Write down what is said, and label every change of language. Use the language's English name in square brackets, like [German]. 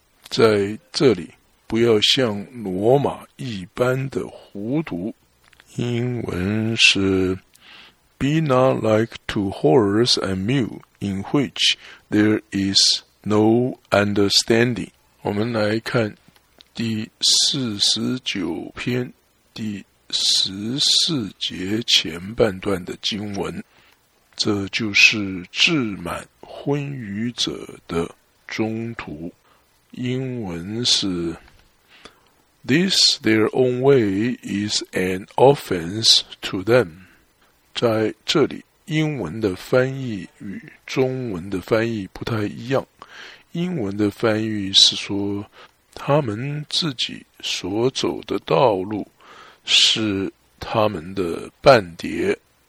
[Chinese] 在这里，不要像罗马一般的糊涂，英文是 [English] Be not like to horse and mule in which there is no understanding。 [Chinese] 我们来看第49篇第14节前半段的经文，这就是志满昏愚者的中途。英文是 [English] This their own way is an offense to them。 [Chinese] 在这里英文的翻译与中文的翻译不太一样，英文的翻译是说他们自己所走的道路是他们的绊碟。